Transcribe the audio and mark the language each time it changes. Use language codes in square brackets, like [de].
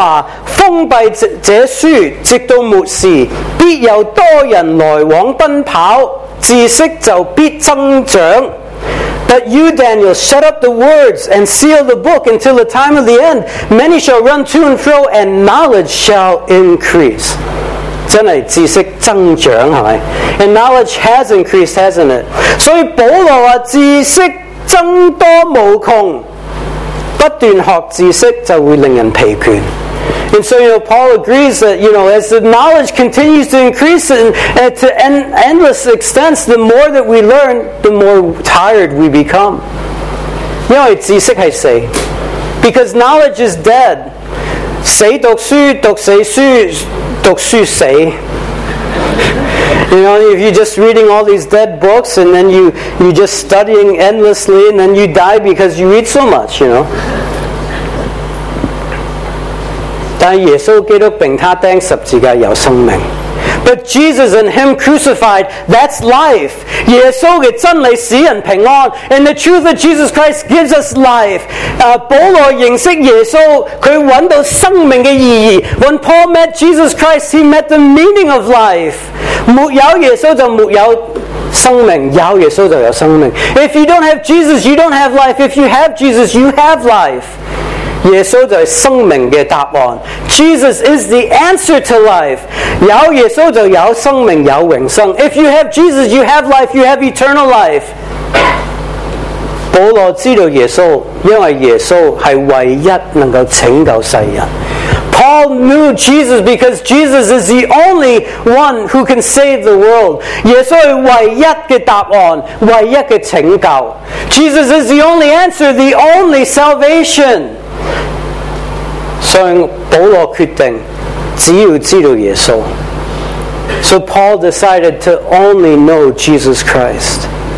[zh] 但以理啊,你要隱藏者話,封閉者書,直到末時, 必有多人來往奔跑, 知識就必增長。 [en] But you, Daniel, shut up the words and seal the book until the time of the end. Many shall run to and fro, and knowledge shall increase. [zh] 真的知識增長,是吧? [en] And knowledge has increased, hasn't it? [zh] 所以保羅說,知識增多無窮,不斷學知識就會令人疲倦。 [en] And so, you know, Paul agrees that, you know, as the knowledge continues to increase and to endless extents, the more that we learn, the more tired we become. You know, it's easy to say. Because knowledge is dead. [zh] Say, 读书, 读书, 读书, [en] you know, if you're just reading all these dead books and then you're just studying endlessly and then you die because you read so much, you know. [zh] 但耶稣基督并他钉十字架有生命。 [en] But Jesus and Him crucified, that's life. [zh] 耶稣的真理使人平安, [en] and the truth of Jesus Christ gives us life. [zh] 保罗认识耶稣,他找到生命的意义。 [en] When Paul met Jesus Christ, he met the meaning of life. [zh] 没有耶稣就没有生命,有耶稣就有生命。 [en] If you don't have Jesus, you don't have life. If you have Jesus, you have life. [zh] 耶稣就是生命的答案。 [en] Jesus is the answer to life. [zh] 有耶稣就有生命有永生。 [en] If you have Jesus, you have life, you have eternal life. [zh] 保罗知道耶稣, 因为耶稣是唯一能够拯救世人。 [en] Paul knew Jesus because Jesus is the only one who can save the world. [zh] 耶稣是唯一的答案, 唯一的拯救。 [en] Jesus is the only answer, the only salvation. [zh] 所以保罗决定只要知道耶稣。 [en] So Paul decided to only know Jesus Christ.